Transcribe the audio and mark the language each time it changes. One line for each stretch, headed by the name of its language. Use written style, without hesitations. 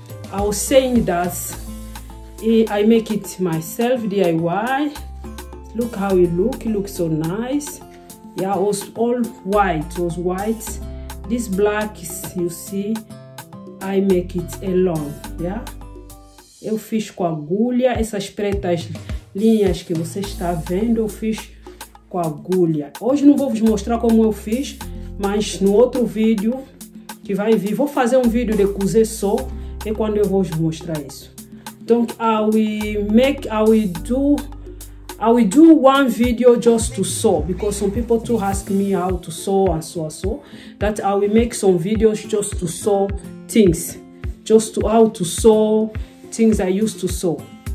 English: I was saying that I make it myself DIY. Look how it look, it looks so nice. Yeah, it was all white, This black, you see, I make it alone, yeah?
Portuguese: Eu fiz com agulha, essas pretas linhas que você está vendo, eu fiz com agulha. Hoje não vou vos mostrar como eu fiz, mas no outro vídeo que vai vir, vou fazer um vídeo de cozer só, é quando eu vou vos mostrar isso.
English: Don't I will do one video just to sew, because some people too ask me how to sew and so that I will make some videos just to sew things, just to how to sew things I used to sew.